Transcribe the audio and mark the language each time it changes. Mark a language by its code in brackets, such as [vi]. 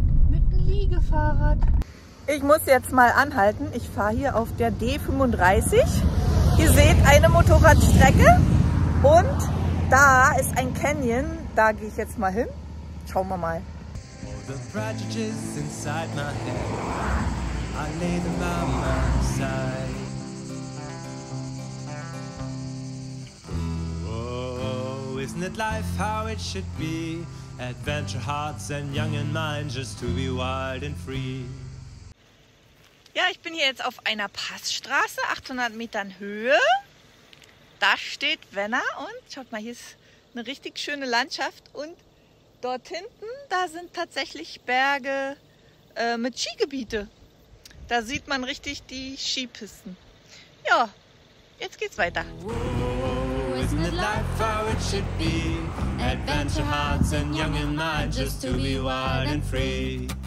[de] Mit dem Liegefahrrad. Ich muss jetzt mal anhalten. Ich fahre hier auf der D35. Ihr seht eine Motorradstrecke. Und da ist ein Canyon. Da gehe ich jetzt mal hin. Schauen wir mal. [en] The prejudices inside my head, I lay them by my side. Isn't it life how it should be? Adventure hearts and young in mind, just to be wild and free. [de] Ja, ich bin hier jetzt auf einer Passstraße, 800 Metern Höhe. Da steht Venna und schaut mal, hier ist eine richtig schöne Landschaft. Und dort hinten, da sind tatsächlich Berge mit Skigebiete. Da sieht man richtig die Skipisten. Ja, jetzt geht's weiter. [en] Isn't it life how it should be? Adventure hearts and young in mind, just to be wild and free.